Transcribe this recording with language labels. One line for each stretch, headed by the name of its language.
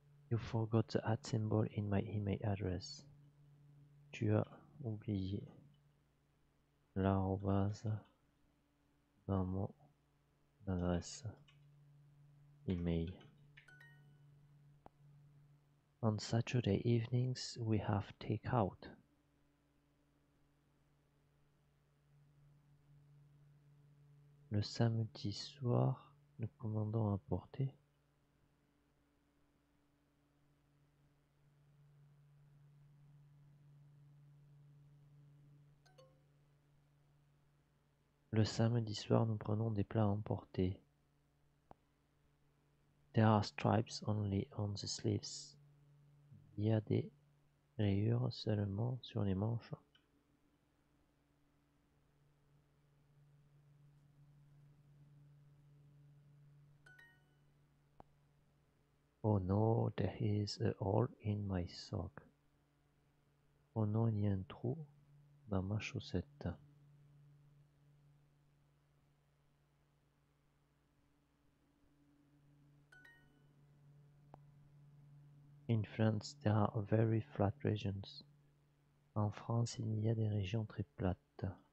English: You forgot the at symbol in my email address.
French: Tu as oublié l'arrobase dans mon adresse email.
English: On Saturday evenings, we have takeout.
French: Le samedi soir, nous commandons à porter. Le samedi soir, nous prenons des plats emportés.
English: There are stripes only on the sleeves.
French: Il y a des rayures seulement sur les manches.
English: Oh no, there is a hole in my sock.
French: Oh non, il y a un trou dans ma chaussette.
English: In France, there are very flat regions.
French: En France, il y a des régions très plates.